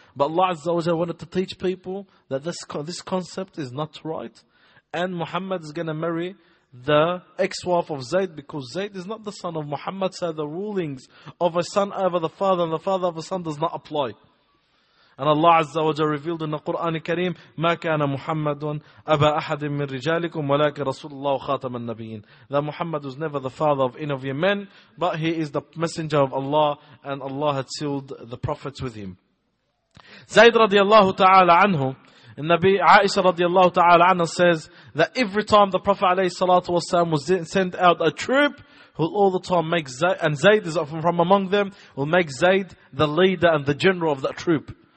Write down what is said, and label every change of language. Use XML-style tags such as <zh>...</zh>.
<en>But Allah Azza wa Jalla wanted to teach people that this concept is not right. And Muhammad is going to marry the ex-wife of Zayd, because Zayd is not the son of Muhammad. So the rulings of a son over the father and the father of a son does not apply. And Allah Azza wa Jalla revealed in the Quran Kareem,</en> <ar>مَا كَانَ مُحَمَّدٌ أَبَا أَحَدٍ مِّن رِجَالِكُمْ وَلَكِ رَسُولُ اللَّهُ خَاتَمَ النَّبِيِّينَ.</ar> <en>That Muhammad was never the father of any of your men, but he is the messenger of Allah, and Allah had sealed the prophets with him. Zayd radiallahu ta'ala anhu, Nabi Aisha radiallahu ta'ala anhu says that every time the Prophet alayhi salatu wasalam was sent out a troop, will all the time make Zayd, and Zayd is often from among them, will make Zayd the leader and the general of that troop.</en>